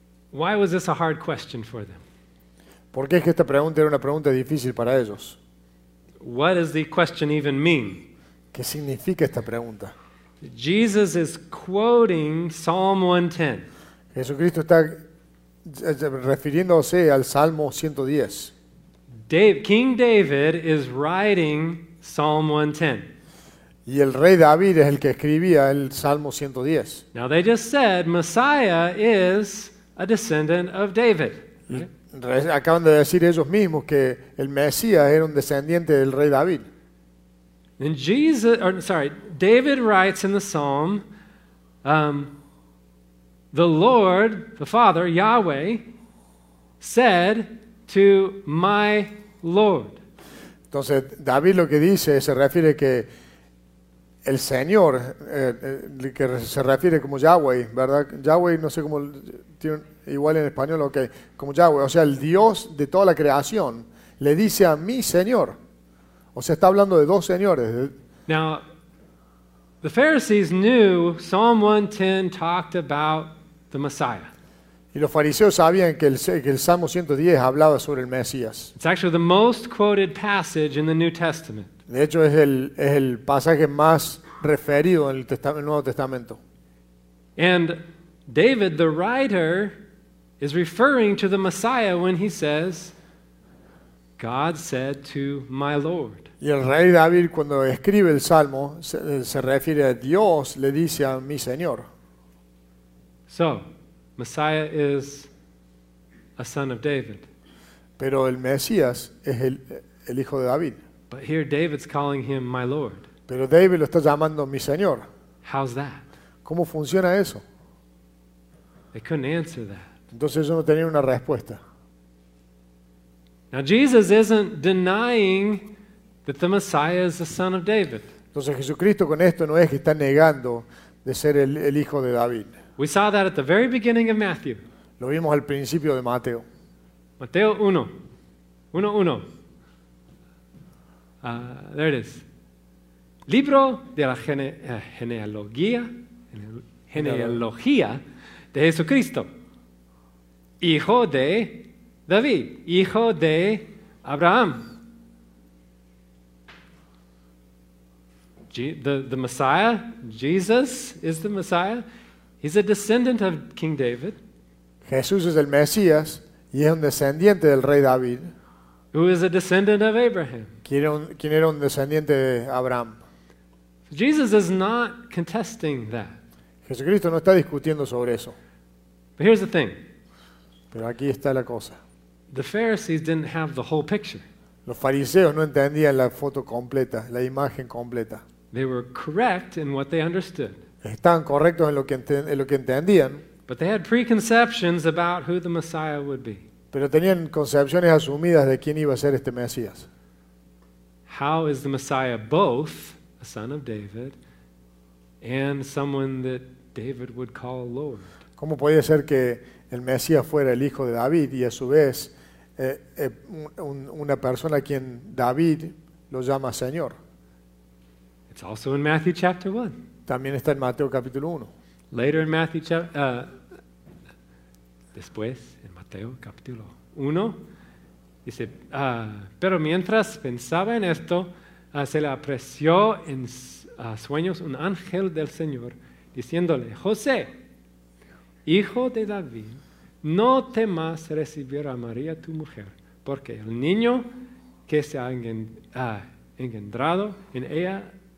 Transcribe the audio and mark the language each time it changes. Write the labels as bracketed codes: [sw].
[en] Why was this a hard question for them? [es] ¿Por qué es que esta pregunta era una pregunta difícil para ellos? [en] What does the question even mean? [es] ¿Qué significa esta pregunta? [en] Jesus is quoting Psalm 110. [es] Jesucristo está refiriéndose al Salmo 110. [en] King David is writing Psalm 110. [es] Y el rey David es el que escribía el Salmo 110. [en] Now they just said Messiah is a descendant of David. [es] Acaban de decir ellos mismos que el Mesías era un descendiente del rey David. [en] And Jesus, or sorry, David writes in the psalm, the Lord, the Father, Yahweh, said to my Lord. [es] Entonces David lo que dice se refiere que el Señor, que se refiere como Yahweh, ¿verdad? Yahweh, no sé cómo tiene igual en español, okay, como Yahweh, o sea, el Dios de toda la creación, le dice a mi Señor. O sea, está hablando de dos señores. [en] Now, the Pharisees knew Psalm 110 talked about the Messiah. [es] Y los fariseos sabían que el Salmo 110 hablaba sobre el Mesías. [en] It's actually the most quoted passage in the New Testament. [es] De hecho, es el pasaje más referido en el Nuevo Testamento. [en] And David, the writer, is referring to the Messiah when he says, God said to my Lord. [es] Y el rey David, cuando escribe el Salmo, se refiere a Dios, le dice a mi Señor. [en] So, Messiah is a son of David. [es] Pero el Mesías es el hijo de David. [en] But here David's calling him my Lord. [es] Pero David lo está llamando mi Señor. [en] How's that? [es] ¿Cómo funciona eso? [en] They couldn't answer that. [es] Entonces ellos no tenían una respuesta. [en] Now Jesus isn't denying that the Messiah is the son of David. [es] Entonces Jesucristo con esto no es que está negando de ser el hijo de David. [en] We saw that at the very beginning of Matthew. [es] Lo vimos al principio de Mateo. Mateo 1:1. [en] There it is. [es] Libro de la genealogía de Jesucristo. Hijo de David, hijo de Abraham. [en] The Messiah, Jesus is the Messiah. He's a descendant of King David. [es] Jesús es el Mesías y es un descendiente del rey David. [en] Who is a descendant of Abraham? [es] ¿Quién era un descendiente de Abraham? [en] Jesus is not contesting that. [es] Jesucristo no está discutiendo sobre eso. [en] But here's the thing. [es] Pero aquí está la cosa. [en] The Pharisees didn't have the whole picture. [es] Los fariseos no entendían la foto completa, la imagen completa. [en] They were correct in what they understood. [es] Estaban correctos en lo que entendían. [en] But they had preconceptions about who the Messiah would be. [es] Pero tenían concepciones asumidas de quién iba a ser este Mesías. [en] How is the Messiah both a son of David and someone that David would call Lord? [es] ¿Cómo podía ser que el Mesías fuera el hijo de David y a su vez una persona a quien David lo llama Señor? [en] It's also in Matthew chapter 1. [es] También está en Mateo capítulo 1. [en] Later in Matthew [es] después en Mateo capítulo 1 dice, pero mientras pensaba en esto, se le apareció en sueños un ángel del Señor diciéndole, José, hijo de David, no temas recibir a María tu mujer, porque el niño que se ha engendrado en ella